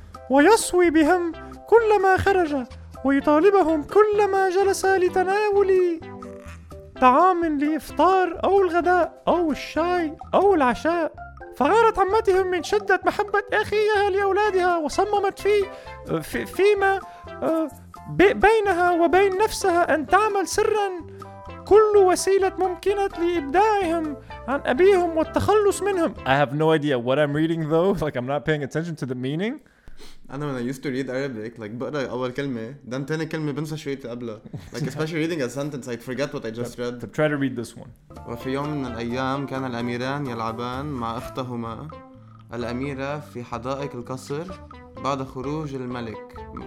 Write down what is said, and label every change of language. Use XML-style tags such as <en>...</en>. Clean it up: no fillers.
<ar>ويصوي بهم كلما خرج ويطالبهم كلما جلس لتناول طعام لإفطار أو الغداء أو الشاي أو العشاء فغارت عمتهم من شدة محبة أخيها لأولادها وصممت فيما بينها وبين نفسها أن تعمل سرا كل وسيلة ممكنة لإبداعهم عن أبيهم والتخلص منهم.</ar> <en>I have no idea what I'm reading though, like I'm not paying attention to the meaning. And when I used to read Arabic, like</en> <ar>بقرأ أول كلمة,</ar> <en>then</en> <ar>تاني كلمة بنسى شوية قبلها.</ar> <en>Like especially reading a sentence, I'd forget what I just read. To try to read this one.</en> <ar>وفي يوم من الأيام كان الأميران يلعبان مع أختهما الأميرة في حدائق القصر بعد خروج الملك.</ar>